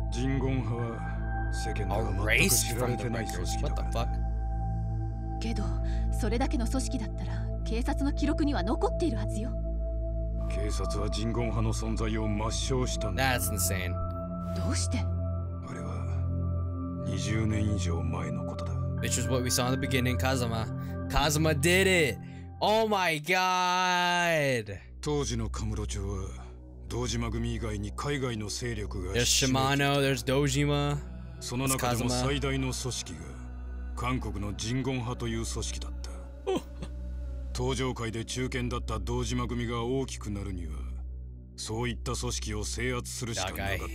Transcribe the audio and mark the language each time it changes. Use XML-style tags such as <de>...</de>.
<ja>人言派は世間では全く知られてない組織だから。けどそれだけの組織だったら警察の記録には残っているはずよ。警察は人言派の存在を抹消したんだ。</ja> <en>That's insane。</en> <ja>どうして。あれは20年以上前のことだ。</ja> <en>Which is what we saw in the beginning, Kazuma. Kazuma did it! Oh my god!</en> <ja>当時のカムロ町は堂島組以外に海外の勢力が</ja> <en>There's Shimano, there's Dojima.</en> <ja>その中でも最大の組織が韓国の人言派という組織だった。東上界で中堅だった堂島組が大きくなるにはそういった組織を制圧するしかなかった。</ja>